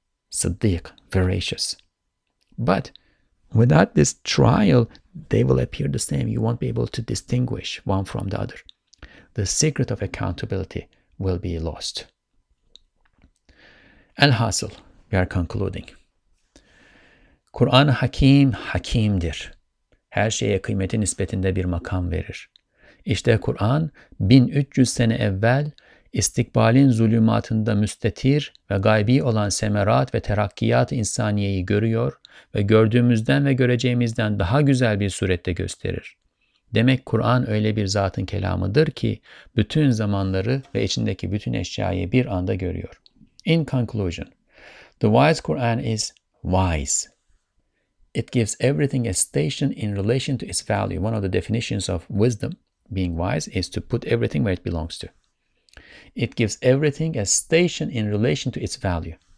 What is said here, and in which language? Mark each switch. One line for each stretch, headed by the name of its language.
English: Siddiq, voracious. But without this trial, they will appear the same. You won't be able to distinguish one from the other. The secret of accountability will be lost. Al-Hasil, we are concluding.
Turkish: Kur'an-ı Hakim, Hakim'dir. Her şeye kıymeti nispetinde bir makam verir. İşte Kur'an, 1300 sene evvel, İstikbalin zulümatında müstetir ve gaybi olan semerat ve terakkiyat-ı insaniyeyi görüyor ve gördüğümüzden ve göreceğimizden daha güzel bir surette gösterir. Demek Kur'an öyle bir zatın kelamıdır ki bütün zamanları ve içindeki bütün eşyayı bir anda görüyor.
English: In conclusion, the wise Quran is wise. It gives everything a station in relation to its value. One of the definitions of wisdom, being wise, is to put everything where it belongs to. It gives everything a station in relation to its value.